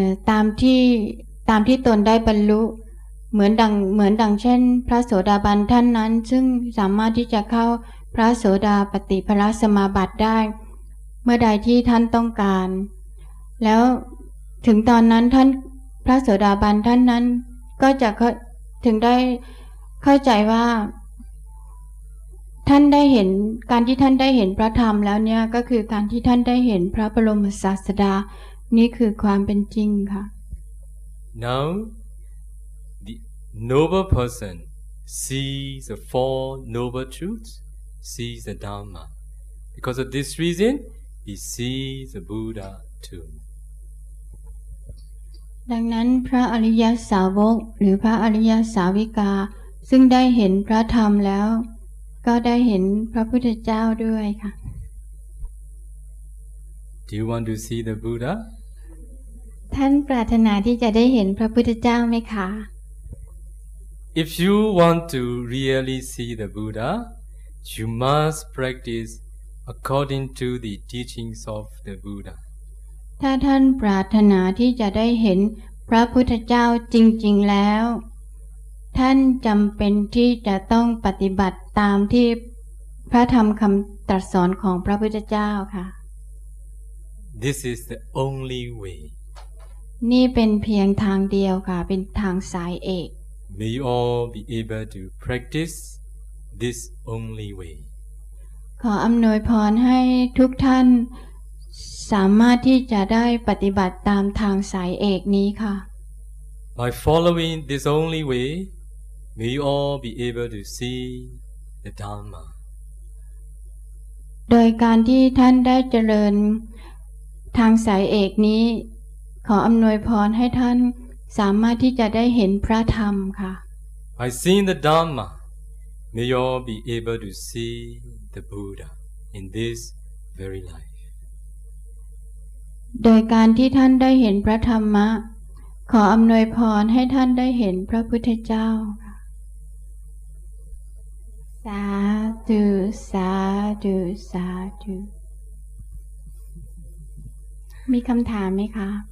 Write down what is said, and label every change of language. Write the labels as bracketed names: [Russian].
[Thai] ตามที่ตนได้บรรลุเหมือนดังเช่นพระโสดาบันท่านนั้นซึ่งสามารถที่จะเข้าพระโสดาปัตติพละสมาบัติได้เมื่อใดที่ท่านต้องการแล้วถึงตอนนั้นท่านพระโสดาบันท่านนั้นก็จะถึงได้เข้าใจว่า ท่านได้เห็นการที่ท่านได้เห็นพระธรรมแล้วเนี่ยก็คือการที่ท่านได้เห็นพระบรมศาสดานี่คือความเป็นจริงค่ะ [English] Now the noble person sees the four noble truths sees the Dhamma because of this reason he sees the Buddha too [Thai] ดังนั้นพระอริยสาวกหรือพระอริยสาวิกา ซึ่งได้เห็นพระธรรมแล้วก็ได้เห็นพระพุทธเจ้าด้วยค่ะ [English] Do you want to see the Buddha? [Thai] ท่านปรารถนาที่จะได้เห็นพระพุทธเจ้าไหมคะ [English] If you want to really see the Buddha, you must practice according to the teachings of the Buddha. [Thai] ถ้าท่านปรารถนาที่จะได้เห็นพระพุทธเจ้าจริงๆแล้วท่านจำเป็นที่จะต้องปฏิบัติตามที่พระธรรมคำตรัสสอนของพระพุทธเจ้าค่ะ [English] This is the only way [Thai] นี่เป็นเพียงทางเดียวค่ะเป็นทางสายเอก [English] May you all be able to practice this only way [Thai] ขออำนวยพรให้ทุกท่านสามารถที่จะได้ปฏิบัติตามทางสายเอกนี้ค่ะ [English] By following this only way, may you all be able to see the Dhamma. [Thai] โดยการที่ท่านได้เจริญทางสายเอกนี้ขออำนวยพรให้ท่านสามารถที่จะได้เห็นพระธรรมค่ะ [English] By seeing the Dhamma, may you all be able to see the Buddha in this very life. [Thai] โดยการที่ท่านได้เห็นพระธรรมะขออํานวยพรให้ท่านได้เห็นพระพุทธเจ้าสาธุสาธุสาธุมีคำถามมั้ยคะ